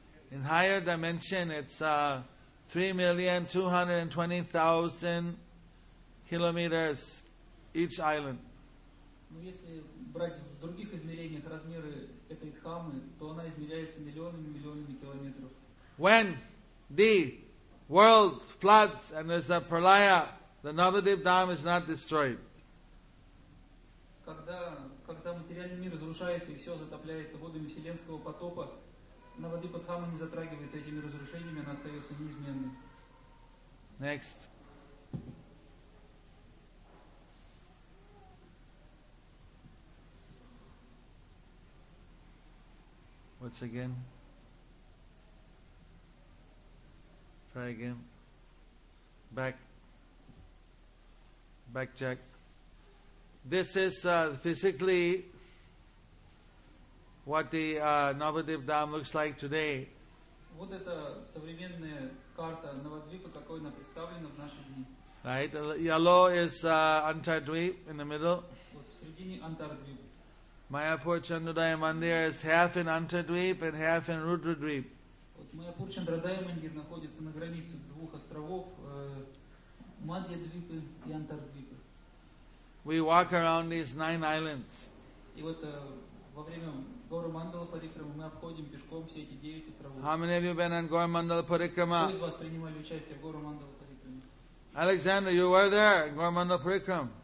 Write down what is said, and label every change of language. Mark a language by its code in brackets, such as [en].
[en] In higher dimension, it's 3,220,000 kilometers each island. [ru] Ну если брать в других измерениях размеры этой дхамы, то она измеряется миллионами километров. [en] When the world floods and there's a pralaya, the Navadvip dam is not destroyed. [ru] Когда материальный мир разрушается и все затопляется водами вселенского потопа. Навадвипа-дхама не затрагивается этими разрушениями, она остается неизменной. [en] Next. What's again? Try again. Back check. This is physically what the Navadvip Dam looks like today. [ru] Вот это современная карта Навадвипа, какой она представлена в наши дни. [en] Right, yellow is Antardvip in the middle. [ru] Вот в середине Антардвип. [en] Mayapur Chandradaya Mandir is half in Antardvip and half in Rudradvip. [ru] Вот Mayapur Chandradaya Mandir находится на границе двух островов Мадхьядвипа и Антардвипа. [en] We walk around these nine islands. [ru] И вот во время Гору Мандала Парикрама мы обходим пешком все эти девять островов. [en] How many of you been on Гору Мандала Парикрама? [ru] Кто из вас принимали участие в Гору Мандала Парикрама? [en] Alexander, you were there, Гору Мандала Парикрама.